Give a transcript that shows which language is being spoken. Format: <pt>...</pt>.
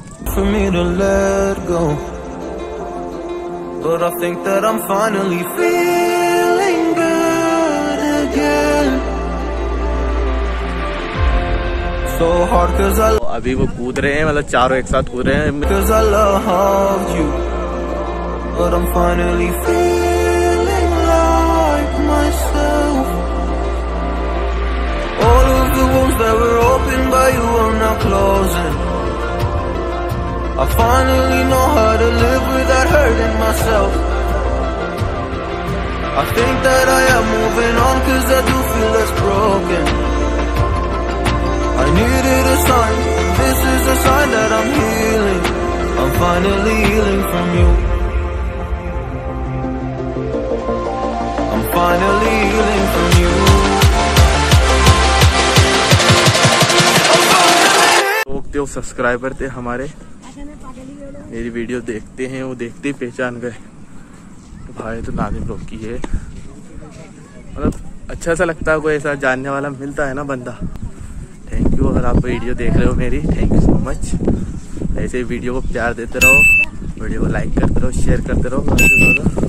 <en>For me to let go, but I think that I'm finally feeling good again. So hard 'cause I.</en> <hi>अभी वो कूद रहे हैं, मतलब चारों एक साथ कूद रहे हैं।</hi> <en>'Cause I loved you, but I'm finally feeling like myself. All of the wounds that were opened by you are now closing. I finally know how to live without hurting myself. I think that I am moving on 'cause I do feel less broken. I needed a sign, this is a sign that I'm healing. I'm finally healing from you. I'm finally healing from you.</en> <hi>Subscriber थे हमारे, मेरी video देखते हैं, वो देखते ही पहचान गए भाई, तो नाजिम लोग की है, मतलब अच्छा सा लगता है कोई ऐसा जानने वाला मिलता है ना बंदा।</hi> <en>thank you,</en> <hi>अगर आप वीडियो देख रहे हो मेरी,</hi> <en>thank you so much,</en> <hi>ऐसे वीडियो को प्यार देते रहो, वीडियो को लाइक करते रहो, शेयर करते रहो।</hi>